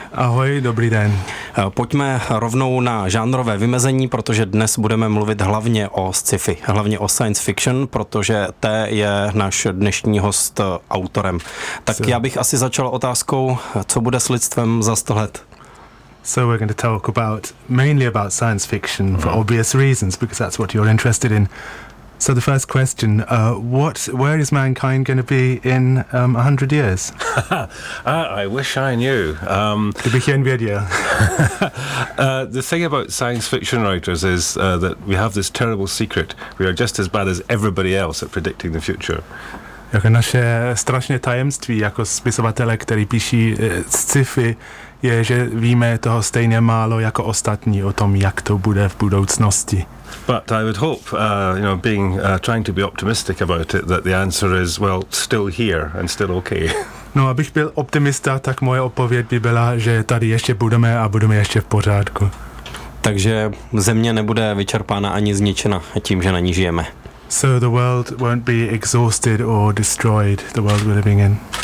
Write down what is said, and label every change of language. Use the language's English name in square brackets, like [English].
[Czech] Ahoj, dobrý den. Pojďme rovnou na žánrové vymezení, protože dnes budeme mluvit hlavně o sci-fi, hlavně o science fiction, protože té je náš dnešní host autorem. Tak já bych asi začal otázkou, co bude s lidstvem za 100 let? [English] So we're going to talk about mainly about science fiction for obvious reasons, because that's what you're interested in. So the first question, where is mankind going to be in 100 years? I wish I knew. The thing about science fiction writers is that we have this terrible secret. We are just as bad as everybody else at predicting the future. [Czech] Jako naše strašné tajemství jako spisovatele, který píší sci-fi, je, že víme toho stejně málo jako ostatní o tom, jak to bude v budoucnosti. [English] But I would hope, trying to be optimistic about it, that the answer is, well, still here and still okay. [Czech] No, abych byl optimista, tak moje odpověď by byla, že tady ještě budeme a budeme ještě v pořádku. Takže země nebude vyčerpána ani zničena tím, že na ní žijeme. [English] So the world won't be exhausted or destroyed, the world we're living in.